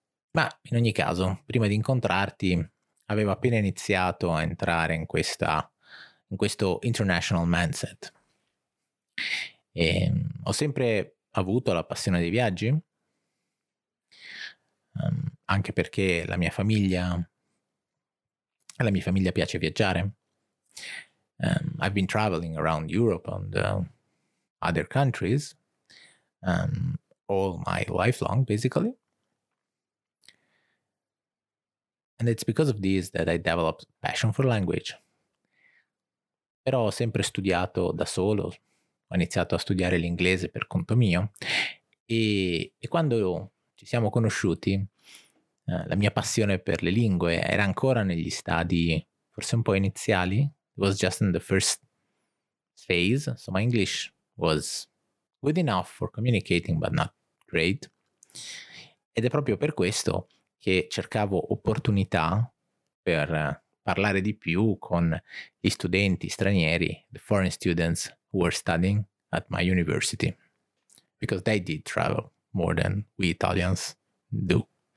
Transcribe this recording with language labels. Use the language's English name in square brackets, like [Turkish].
[Italian] Ma in ogni caso, prima di incontrarti, avevo appena iniziato a entrare in questo international mindset. E ho sempre avuto la passione dei viaggi, anche perché la mia famiglia piace viaggiare. [English] I've been traveling around Europe and other countries all my life long, basically. And it's because of this that I developed passion for language. [Italian] Però ho sempre studiato da solo, ho iniziato a studiare l'inglese per conto mio e quando ci siamo conosciuti, la mia passione per le lingue era ancora negli stadi, forse un po' iniziali. [English] It was just in the first phase, so my English was good enough for communicating but not great. [Italian] Ed è proprio per questo che cercavo opportunità per parlare di più con gli studenti stranieri, [English] the foreign students who were studying at my university, because they did travel more than we Italians do.